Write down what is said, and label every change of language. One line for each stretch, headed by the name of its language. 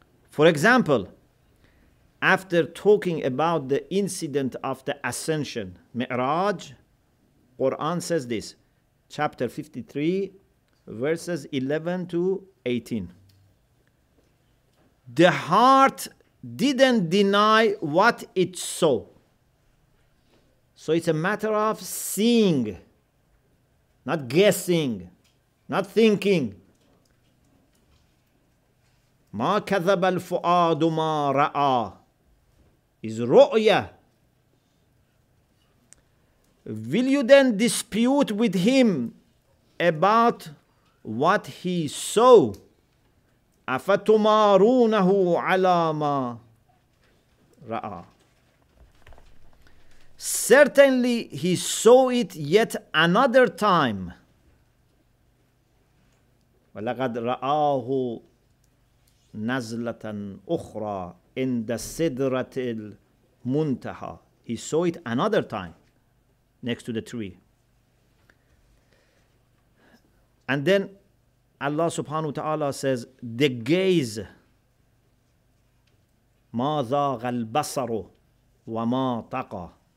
English: For example, after talking about the incident of the ascension, Mi'raj, Quran says this, chapter 53, verses 11 to 18. The heart didn't deny what it saw. So it's a matter of seeing, not guessing, not thinking.
Arabic: ما كذب الفؤاد ما رأى is رؤية.
English: Will you then dispute with him about what he saw?
Arabic: أفتمارونه على ما رأى.
English: Certainly he saw it yet another time.
Arabic: ولقد رآه نزلة أخرى عند سدرة المنتهى.
English: He saw it another time next to the tree. And then Allah subhanahu wa ta'ala says, the gaze,
Arabic: ما زاغ البصر وما طقى.